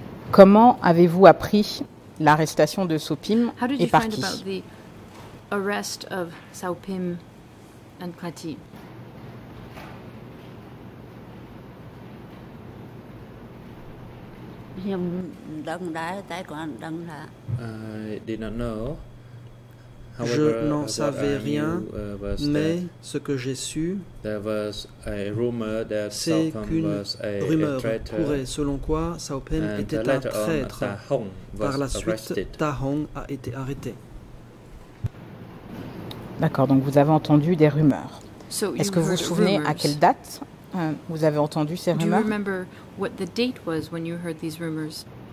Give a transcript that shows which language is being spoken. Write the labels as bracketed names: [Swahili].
[French] Comment avez-vous appris l'arrestation de Sopim et Clatie? [English] How did you find about the arrest of Sopim and Clatie? [French] Je n'en savais rien, mais ce que j'ai su, c'est qu'une rumeur courait selon quoi Sao Pem était un traître. Par la suite, Ta Hong a été arrêté. D'accord, donc vous avez entendu des rumeurs. Est-ce que vous vous souvenez à quelle date vous avez entendu ces rumeurs? [English] Do you remember what the date was when you heard these rumors?